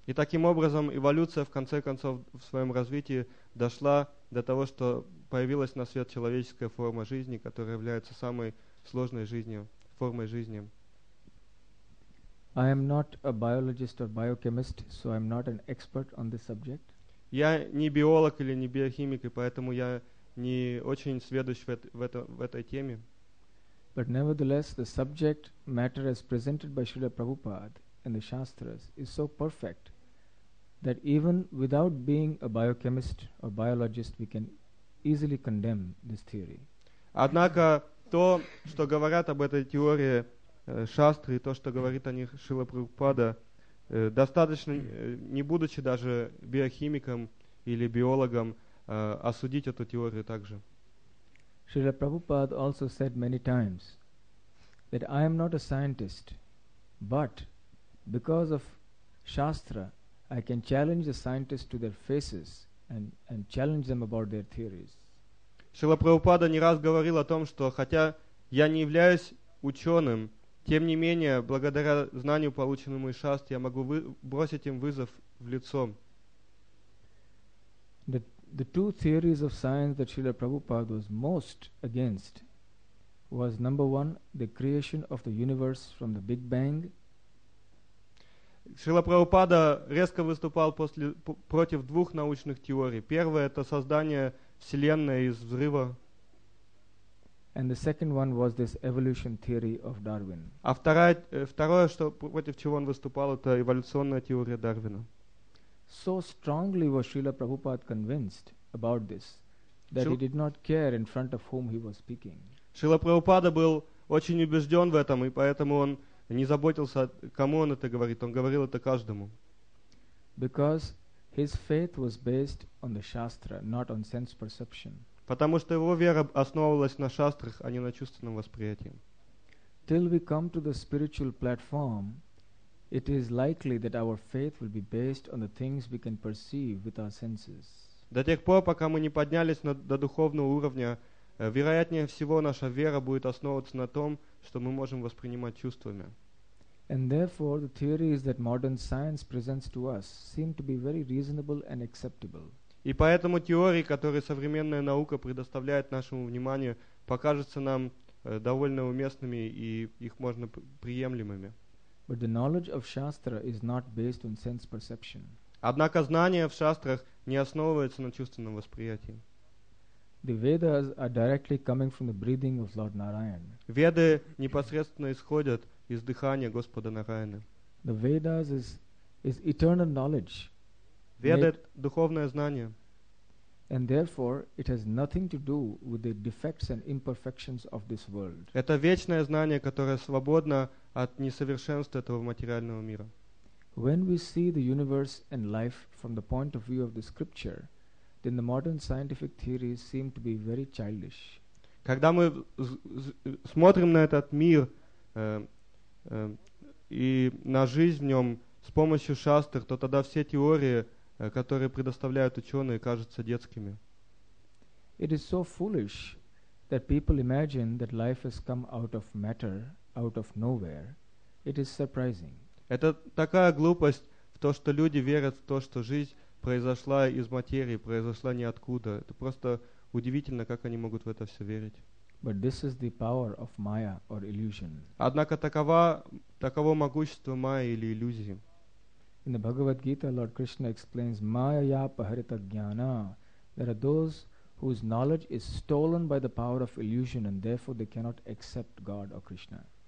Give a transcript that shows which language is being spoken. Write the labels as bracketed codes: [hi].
[ru] И таким образом эволюция в конце концов в своем развитии дошла до того, что появилась на свет человеческая форма жизни, которая является самой сложной жизнью, формой жизни. [en] I am not a biologist or biochemist, so I am not an expert on this subject. [ru] Я не биолог или не биохимик, и поэтому я не очень сведущ в этой теме. [en] But nevertheless, the subject matter as presented by Srila Prabhupada in the Shastras is so perfect that even without being a biochemist or biologist, we can easily condemn this theory. [ru] Однако то, что говорят об этой теории Шастры, то, что говорит о них Шрила Прабхупада, достаточно, не будучи даже биохимиком или биологом, осудить эту теорию также. [en] Шрила Прабхупада also said many times that I am not a scientist, but because of Shastra, I can challenge the scientists to their faces and challenge them about their theories. [ru] Шрила Прабхупада не раз говорил о том, что хотя я не являюсь ученым, тем не менее, благодаря знанию, полученному из Шастры, я могу бросить им вызов в лицо. [en] The two theories of science that Srila Prabhupada was most against was, number one, the creation of the universe from the Big Bang. [ru] Шрила Прабхупада резко выступал против двух научных теорий. Первая — это создание Вселенной из взрыва. [en] And the second one was this evolution theory of Darwin. [ru] А второе, что против чего он выступал, это эволюционная теория Дарвина. [en] So strongly was Srila Prabhupada convinced about this that he did not care in front of whom he was speaking. [ru] Шрила Прабхупада был очень убежден в этом, и поэтому он не заботился, кому он это говорит. Он говорил это каждому. [en] Because his faith was based on the Shastra, not on sense perception. [ru] Потому что его вера основывалась на шастрах, а не на чувственном восприятии. [en] Till we come to the spiritual platform, it is likely that our faith will be based on the things we can perceive with our senses. [ru] До тех пор, пока мы не поднялись до духовного уровня, вероятнее всего наша вера будет основываться на том, что мы можем воспринимать чувствами. [en] And therefore, the theories that modern science presents to us seem to be very reasonable and acceptable. [ru] И поэтому теории, которые современная наука предоставляет нашему вниманию, покажутся нам довольно уместными и их можно приемлемыми. [en] But the knowledge of Shastra is not based on sense perception. [ru] Однако знание в шастрах не основывается на чувственном восприятии. [en] The Vedas are directly coming from the breathing of Lord Narayan. [ru] Веды непосредственно исходят из дыхания Господа Нараяны. [en] The Vedas is eternal knowledge. [ru] Веды — это духовное знание. [en] And therefore, it has nothing to do with the defects and imperfections of this world. [ru] Это вечное знание, которое свободно от несовершенств этого материального мира. [en] When we see the universe and life from the point of view of the scripture, then the modern scientific theories seem to be very childish. [ru] Когда мы смотрим на этот мир и на жизнь в нем с помощью шастр, то тогда все теории, которые предоставляют ученые, кажутся детскими. [en] It is so foolish that people imagine that life has come out of matter, out of nowhere. It is surprising. [ru] Это такая глупость в то, что люди верят в то, что жизнь произошла из материи, произошла ниоткуда. Это просто удивительно, как они могут в это все верить. [en] But this is the power of Maya or illusion. [ru] Однако таково могущество Майи или иллюзии. [en] In the Bhagavad Gita, Lord Krishna explains Maya Paharita Jnana. There are those whose knowledge is stolen by the power of illusion and therefore they cannot accept God or Krishna.